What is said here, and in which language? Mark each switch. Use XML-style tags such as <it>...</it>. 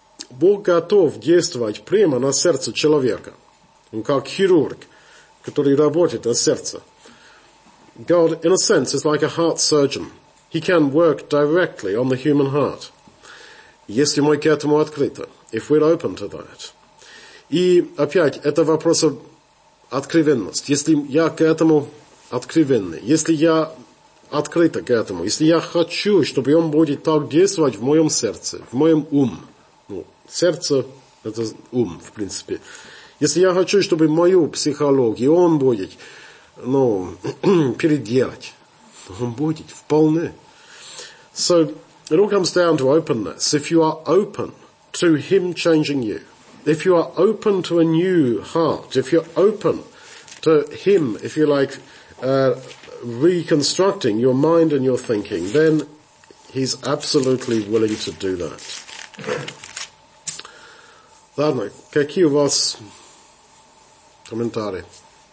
<ru>Бог готов действовать прямо на сердце человека. Он как хирург, который работает на сердце.</ru> <en>God, in a sense, is like a heart surgeon. He can work directly on the human heart.</en> <ru>Если мы к этому открыты,</ru> <en>if we're open to that.</en> <ru>И опять, это вопрос откровенности. Если я к этому откровенный, если я открыт к этому, если я хочу, чтобы он будет так действовать в моем сердце, в моем уме, сердце – это ум, в принципе. Если я хочу, чтобы мою психологию он будет, ну, переделать, он будет вполне.</ru> <en>So, it all comes down to openness. If you are open to him changing you, if you are open to a new heart, if you're open to him, if you like, reconstructing your mind and your thinking, then he's absolutely willing to do that.</en> <ru>Ладно, какие у вас комментарии?</ru>